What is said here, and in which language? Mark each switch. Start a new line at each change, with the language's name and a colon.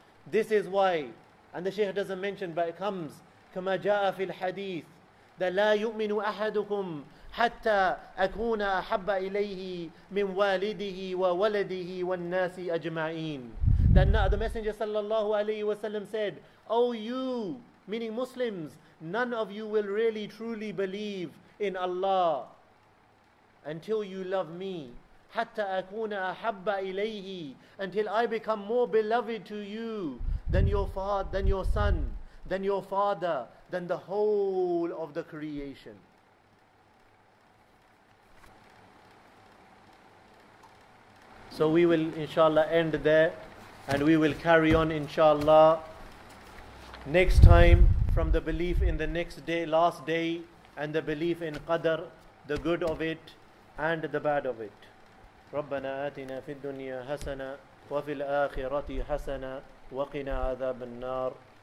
English: This is why, and the Shaykh doesn't mention, but it comes,
Arabic: كَمَا جَاءَ فِي الْحَدِيثِ that لَا يُؤْمِنُ أَحَدُكُمْ حَتَّى أَكُونَ أَحَبَّ إِلَيْهِ مِنْ وَالِدِهِ وَوَلَدِهِ وَالنَّاسِ أَجْمَعِينَ.
English: That the Messenger sallallahu alayhi wasallam said, oh you, meaning Muslims, none of you will really truly believe in Allah until you love me.
Arabic: حَتَّى أَكُونَ أَحَبَّ إِلَيْهِ,
English: until I become more beloved to you than your father, than your son, than your father, than the whole of the creation. So we will inshallah end there, and we will carry on inshallah next time from the belief in the next day, last day, and the belief in Qadr, the good of it and the bad of it.
Arabic: ربنا آتنا في الدنيا حسنة وفي الآخرة حسنة وقنا عذاب النار.